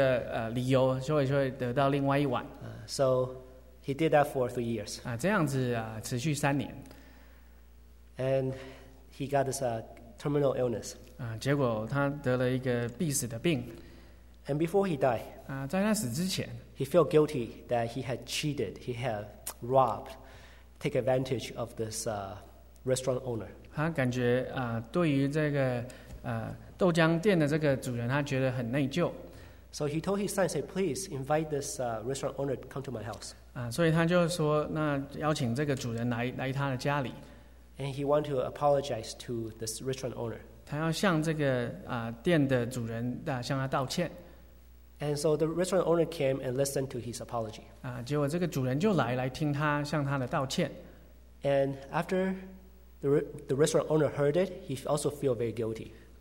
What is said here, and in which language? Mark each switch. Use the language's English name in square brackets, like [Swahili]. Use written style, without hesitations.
[Chinese] 所以他会用所有的不同的理由，就会得到另外一碗。 [English] So he did that for 3 years. [Chinese] 这样子持续三年。 [English] And he got this terminal illness. [Chinese] 结果他得了一个必死的病。 [English] And before he died, [Chinese] 在他死之前, [English] he felt guilty that he had cheated, he had robbed, take advantage of this restaurant owner. [Chinese] 他感觉对于这个豆浆店的这个主人，他觉得很内疚。 [English] So he told his son, say, please invite this restaurant owner to come to my house. [Chinese] 所以他就说，那邀请这个主人来他的家里。 [English] And he wanted to apologize to this restaurant owner. [Chinese] 他要向这个店的主人向他道歉。 [English] And so the restaurant owner came and listened to his apology. [Chinese] 结果这个主人就来听他向他的道歉。 [English] And after the restaurant owner heard it, he also felt very guilty.